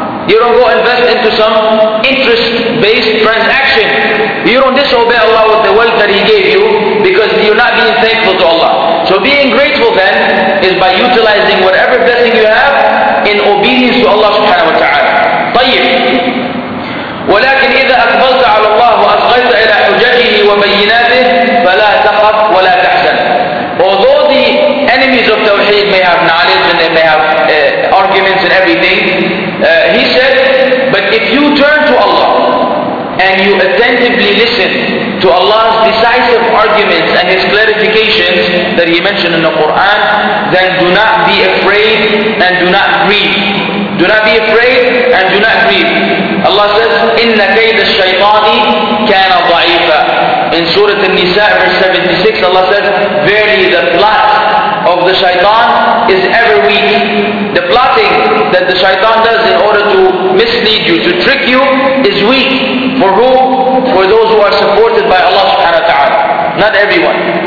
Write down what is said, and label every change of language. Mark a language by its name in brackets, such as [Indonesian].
[English] You don't go invest into some interest-based transaction. You don't disobey Allah with the wealth that He gave you because you're not being thankful to Allah. So being grateful then is by utilizing whatever blessing you have in obedience to Allah subhanahu wa ta'ala. [Arabic] طيب. ولكن إذا أقبلت على الله وأصغيت إلى حججه وبيناته فلا تخف ولا تحزن. [English] Although the enemies of Tawheed may have knowledge and they may have arguments and everything, he said, but if you turn to Allah and you attentively listen to Allah's decisive arguments and His clarifications that He mentioned in the Quran, then do not be afraid and do not grieve. Do not be afraid and do not grieve. Allah says, [Arabic] إِنَّ كَيْدَ الشَّيْطَانِ كَانَ ضَعِيفًا. [English] In Surah An-Nisa, verse 76, Allah says, verily the plot of the shaitan is ever weak. The plotting that the shaitan does in order to mislead you, to trick you, is weak. For who? For those who are supported by Allah subhanahu wa ta'ala. Not everyone.